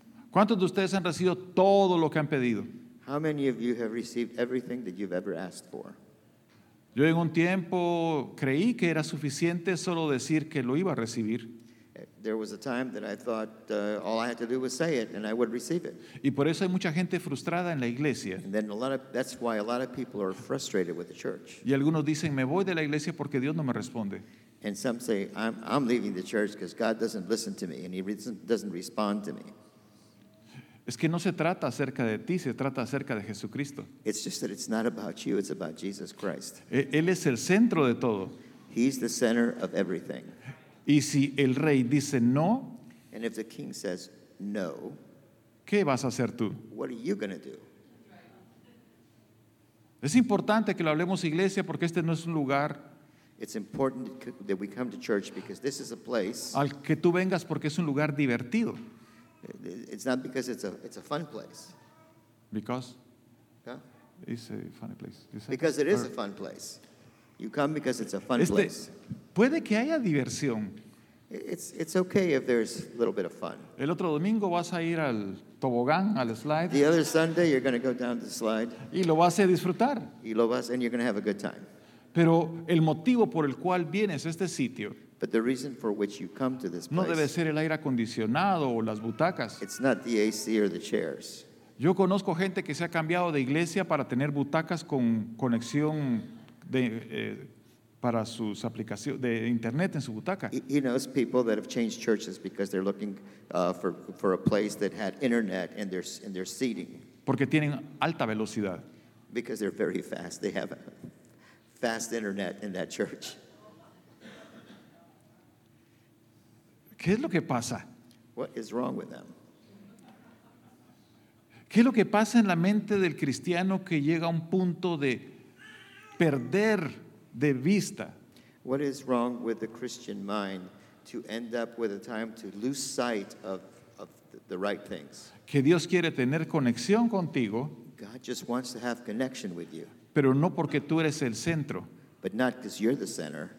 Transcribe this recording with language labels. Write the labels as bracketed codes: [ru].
[es] ¿Cuántos de ustedes han recibido todo lo que han pedido? [en] How many of you have received everything that you've ever asked for? [es] Yo en un tiempo creí que era suficiente solo decir que lo iba a recibir. [en] There was a time that I thought all I had to do was say it and I would receive it. [es] Y por eso hay mucha gente frustrada en la iglesia. [en] And then that's why a lot of people are frustrated with the church. [es] Y algunos dicen, me voy de la iglesia porque Dios no me responde. [en] And some say, I'm leaving the church because God doesn't listen to me and he doesn't respond to me. [es] Es que no se trata acerca de ti, se trata acerca de Jesucristo. [en] It's just that it's not about you, it's about Jesus Christ. [es] Él es el centro de todo. [en] He's the center of everything. [es] Y si el rey dice no, [en] and if the king says no, [es] ¿qué vas a hacer tú? [en] What are you going to do? [es] Es importante que lo hablemos iglesia porque este no es un lugar. [en] It's important that we come to church because this is a place. [es] Al que tú vengas porque es un lugar divertido. [en] It's not because it's a fun place. Because? Huh? It's a funny place. Because it is a fun place. You come because it's a fun place. [es] Puede que haya diversión. [en] It's okay if there's a little bit of fun. [es] El otro domingo vas a ir al tobogán, al slide. [en] The other Sunday you're going to go down the slide. [es] Y lo vas a disfrutar. [en] And you're going to have a good time. [es] Pero el motivo por el cual vienes a este sitio no debe ser el aire acondicionado o las butacas. [en] It's not the AC or the chairs. [es] Yo conozco gente que se ha cambiado de iglesia para tener butacas con conexión de, para sus aplicaciones de internet en su butaca. [en] He knows people that have changed churches because they're looking for a place that had internet in their seating. [es] Porque tienen alta velocidad. [en] Because they're very fast. They have fast internet in that church. [es] ¿Qué es lo que pasa? [en] What is wrong with them? [es] ¿Qué es lo que pasa en la mente del cristiano que llega a un punto de perder de vista? [en] What is wrong with the Christian mind to end up with a time to lose sight of the right things? [es] Que Dios quiere tener conexión contigo. [en] God just wants to have connection with you. [es] Pero no porque tú eres el centro. [en] But not because you're the center.